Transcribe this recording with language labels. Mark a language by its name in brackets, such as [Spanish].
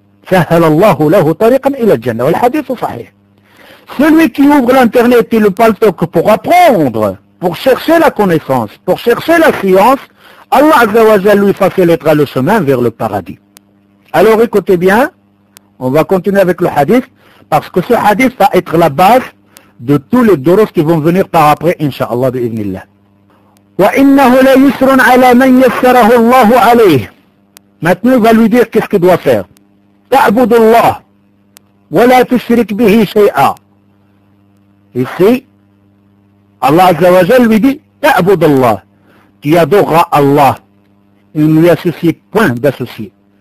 [Arabic] سهل الله له طريقا الى الجنه والحديث صحيح [French] celui qui ouvre l'internet et le paltok pour apprendre, pour chercher la connaissance, pour chercher la science, Allah Azza wa Jal lui facilitera le chemin vers le paradis. Alors écoutez bien, on va continuer avec le hadith, parce que ce hadith va être la base de tous les durus qui vont venir par après, inshallah bi'idhnillah. [Arabic] وانه لا يسر على من يسره الله عليه. [French] Maintenant il va lui dire qu'est-ce qu'il doit faire. [Arabic] تعبد الله ولا تشرك به شيئا. [French] Ici, Allah Azza wa Jal lui dit, [Arabic] تعبد الله, [French] tu adoreras Allah. Il ne lui associe point d'associé.